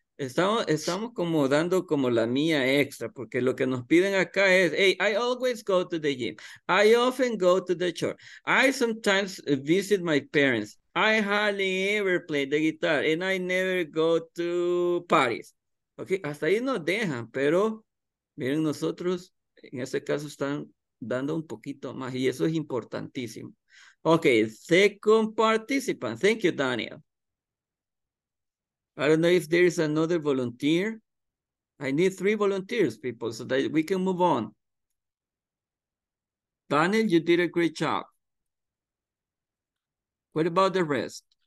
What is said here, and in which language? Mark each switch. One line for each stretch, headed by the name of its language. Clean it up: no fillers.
Spanish: Estamos como dando como la mía extra, porque lo que nos piden acá es,
English: hey, I always go to the gym. I often go to the church. I sometimes visit my parents. I hardly ever play the guitar, and I never go to parties.
Spanish: Okay, hasta ahí nos dejan, pero miren, nosotros en este caso están dando un poquito más, y eso es importantísimo.
English: Okay, second participant. Thank you, Daniel. I don't know if there is another volunteer. I need 3 volunteers, people, so that we can move on. Daniel, you did a great job. What about the rest?